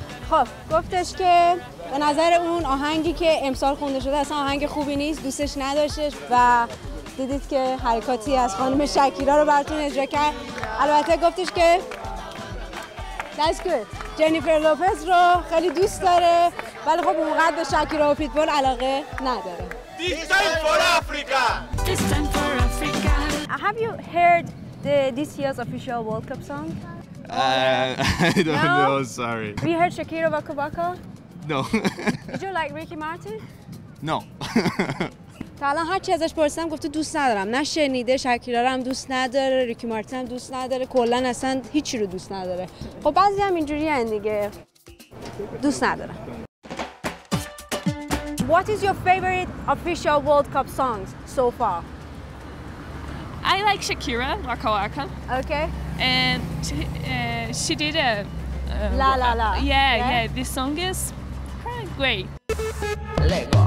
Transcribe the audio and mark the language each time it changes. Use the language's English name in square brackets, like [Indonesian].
[Persian] خب گفتش که به نظر اون آهنگی که امسال خونده شده اصلا آهنگ خوبی نیست، دوستش نداشتش و دیدید که حرکاتی از خانم شکیرا رو براتون اجرا کرد. البته گفتش که [English] That's good. [Persian] جنیفر لوپز رو خیلی دوست داره ولی خب اونقدر به شکیرا و پیتبول علاقه نداره. [English] This time for Africa. This time for Africa. Have you heard this year's official World Cup song? I don't know, sorry. We heard Shakira Waka Waka? No. Did you like Ricky Martin? No. [Persian] الان هر چی ازش پرسیدم گفته دوست ندارم، نه شنیده شکیرا رو هم دوست نداره، ریکی مارتین هم دوست نداره، کلا اصلا هیچی رو دوست نداره. خب بعضی هم اینجوری هستن دیگه، دوست ندارن. [English] What is your favorite official World Cup songs so far? I like Shakira, Waka Waka. Okay. And she did a La La La. Yeah, this song is great. Lego.